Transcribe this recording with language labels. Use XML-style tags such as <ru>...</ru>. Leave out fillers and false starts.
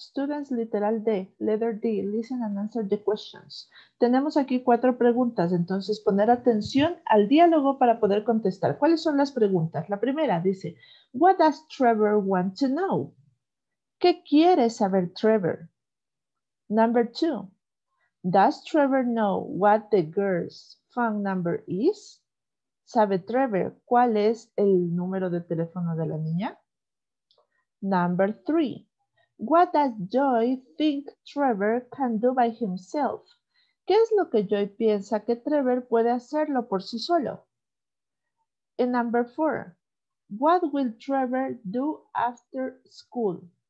<en>Students, literal D, letter D, listen and answer the questions.</en> <es>Tenemos aquí cuatro preguntas, entonces poner atención al diálogo para poder contestar. ¿Cuáles son las preguntas? La primera dice,</es> <en>what does Trevor want to know?</en> <es>¿Qué quiere saber Trevor?</es> <en>Number two, does Trevor know what the girl's phone number is?</en> <es>¿Sabe Trevor cuál es el número de teléfono de la niña?</es> <en>Number three, what does Joy think Trevor can do by himself?</en> <es>¿Qué es lo que Joy piensa que Trevor puede hacerlo por sí solo?</es> <en>And number four, what will Trevor do after school?</en>